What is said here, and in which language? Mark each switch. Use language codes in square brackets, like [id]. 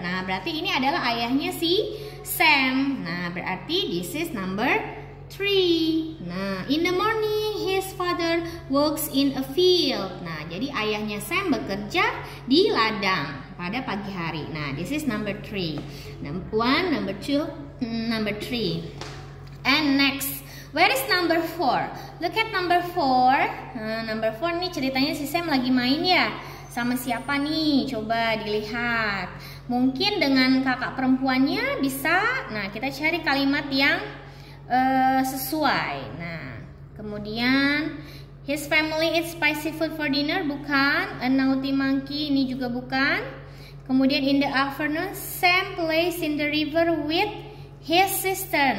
[id] Nah, berarti ini adalah ayahnya si Sam. Nah, berarti [en] this is number 3. Nah, in the morning, his father walks in a field. [id] Nah, jadi ayahnya Sam bekerja di ladang pada pagi hari. [en] Nah, this is number 3. Number 1, number 2, number 3. And next, where is number 4? Look at number 4. [id] Number 4 nih ceritanya si Sam lagi main ya sama siapa nih? Coba dilihat. Mungkin dengan kakak perempuannya bisa. Nah, kita cari kalimat yang sesuai. Nah, kemudian [en] his family eats spicy food for dinner, [id] bukan. [en] A naughty monkey, [id] ini juga bukan. Kemudian [en] in the afternoon, Sam plays in the river with his sister.